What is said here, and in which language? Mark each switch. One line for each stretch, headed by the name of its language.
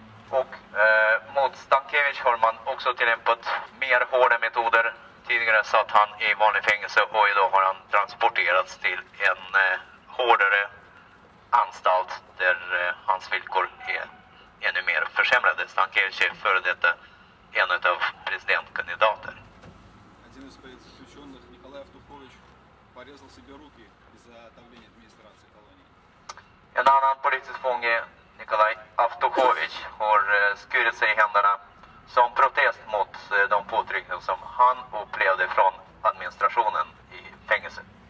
Swedish: Och mot Stankevich har man också tillämpat mer hårda metoder. Tidigare satt han i vanlig fängelse och idag har han transporterats till en hårdare anstalt där hans villkor är ännu mer försämrade. Stankevich är före detta en av presidentkandidater. En av presidentkandidaterna,
Russian: Nikolaj Avtukovic, порезал себе руки из-за давления администрации колонии.
Swedish: En annan politisk fånge, Nikolaj Avtukovic, har skurit sig i händerna som protest mot de påtryckningar som han upplevde från administrationen i fängelse.